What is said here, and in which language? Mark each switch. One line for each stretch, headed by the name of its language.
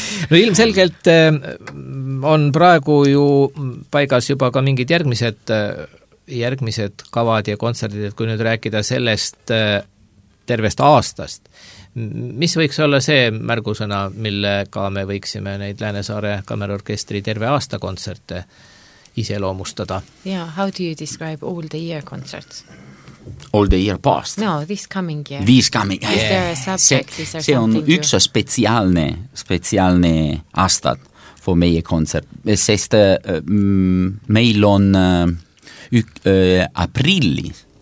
Estonian: No ilmselgelt on praegu ju paigas juba ka mingid järgmised kavad ja kontsertid, et kui nüüd rääkida sellest tervest aastast, mis võiks olla see märgusõna, millega me võiksime neid Läänesaare kamerorkestri terve aasta kontserte ise loomustada?
English: Yeah, how do you describe all the year concerts? All the year past? No, this coming year. This coming year. Is there a subject?
Estonian: See on üks spetsiaalne aastat for meie kontsert. Sest meil on aprillis.